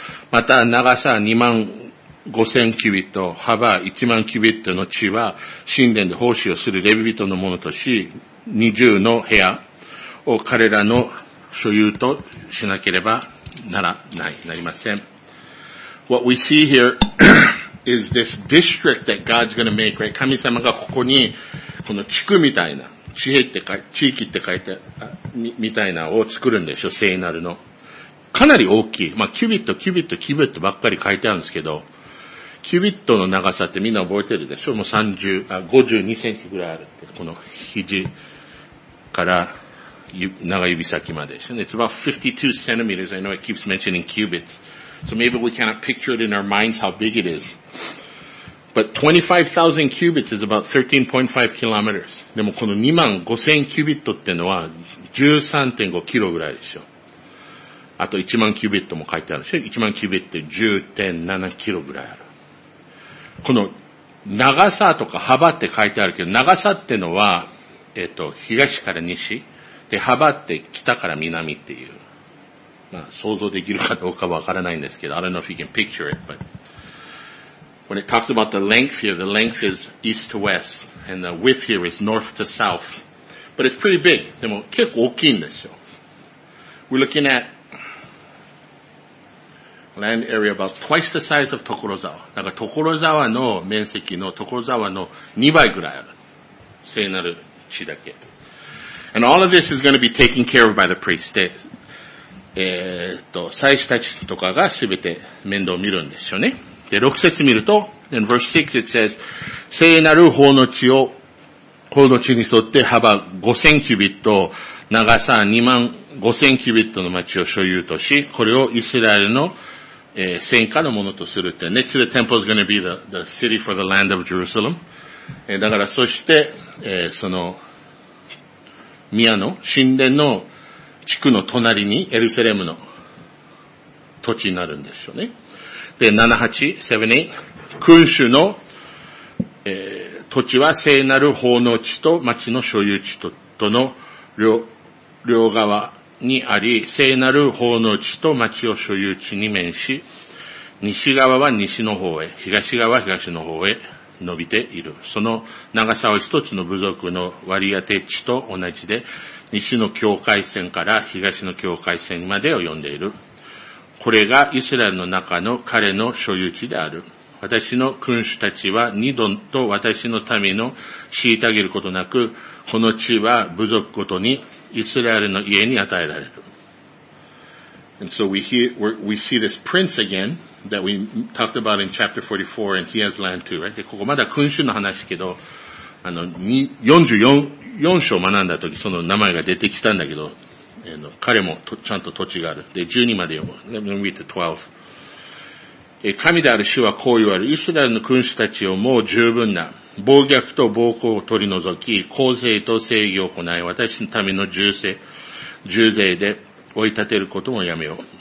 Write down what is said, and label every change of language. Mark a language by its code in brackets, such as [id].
[ja] また、長さ25,000キュビット、幅10,000キュビットの地は、神殿で奉仕をするレビ人のものとし、20の部屋を彼らの所有としなければならない、なりません。 [en] What we see here is this district that God's going to make, right? [ja] 神様がここに、この地区みたいな、地域って書いて、みたいなを作るんでしょ、聖なるの。かなり大きい。まあ、キュビットばっかり書いてあるんですけど、キュビットの長さってみんな覚えてるでしょ？もう52センチぐらいあるって、この肘から、長指先までしょ。 [en] It's about 52 centimeters. I know it keeps mentioning cubits. So maybe we cannot picture it in our minds how big it is. But 25,000 cubits is about 13.5 kilometers. [ja] でもこの25,000キュビットってのは 13.5 キロぐらいでしょ。あと10,000キュビットも書いてあるでしょ。10,000キュビットって 10.7 キロぐらいある。この長さとか幅って書いてあるけど、長さってのは、東から西。で、幅って北から南っていう。まあ、想像できるかどうかわからないんですけど、 [en] I don't know if you can picture it, but when it talks about the length here, the length is east to west, and the width here is north to south. But it's pretty big. [ja] でも結構大きいんですよ。 [en] We're looking at land area about twice the size of 所沢。 [ja] だから所沢の面積の所沢の2倍ぐらいある。聖なる地だけ。 [en] And all of this is going to be taken care of by the priest. [ja] で、祭司たちとかがすべて面倒を見るんですよね。で、6節見ると、 [en] in verse 6 it says, [ja] 聖なる奉納地を、奉納地に沿って幅5000キュビット、長さ25,000キュビットの町を所有とし、これをイスラエルの、戦火のものとするって。 [en] Next to the temple is going to be the city for the land of Jerusalem. [ja] だから、そして、その、宮の神殿の地区の隣にエルサレムの土地になるんですよね。で、7、8、7、8、君主の、土地は聖なる奉納地と町の所有地 との両側にあり、聖なる奉納地と町を所有地に面し、西側は西の方へ、東側は東の方へ伸びている。その長さは一つの部族の割り当て地と同じで、西の境界線から東の境界線まで及んでいる。これがイスラエルの中の彼の所有地である。私の君主たちは二度と私の民の虐げることなく、この地は部族ごとにイスラエルの家に与えられる。 [en] And so we see this prince again that we talked about in chapter 44, and he has land too, right? [ja] ここまだ君主の話けど、あの、44章学んだとき、その名前が出てきたんだけど、彼もちゃんと土地がある。で、12まで読む。 [en] Let me read the 12. [ja] 神である主はこう言われる。イスラエルの君主たちをもう十分な暴虐と暴行を取り除き、公正と正義を行い、私のための重税で追い立てることもやめよう。